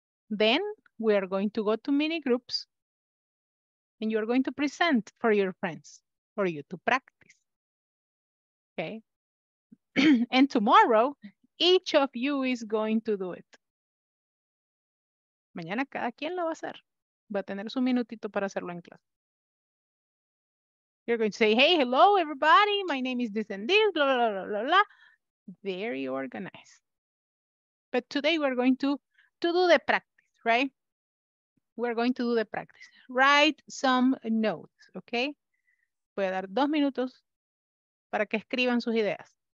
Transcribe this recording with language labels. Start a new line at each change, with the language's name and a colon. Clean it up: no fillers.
English: Then we are going to go to mini groups. And you're going to present for your friends, for you to practice, okay? And tomorrow, each of you is going to do it.
Spanish: Mañana cada quien lo va a hacer. Va a tener su minutito para hacerlo en clase.
English: You're going to say, hey, hello, everybody. My name is this and this, blah, blah, blah, blah, blah. Very organized. But today we're going to do the practice, right? We're going to do the practice. Write some notes,
Spanish: ¿ok? Voy a dar 2 minutos para que escriban sus ideas.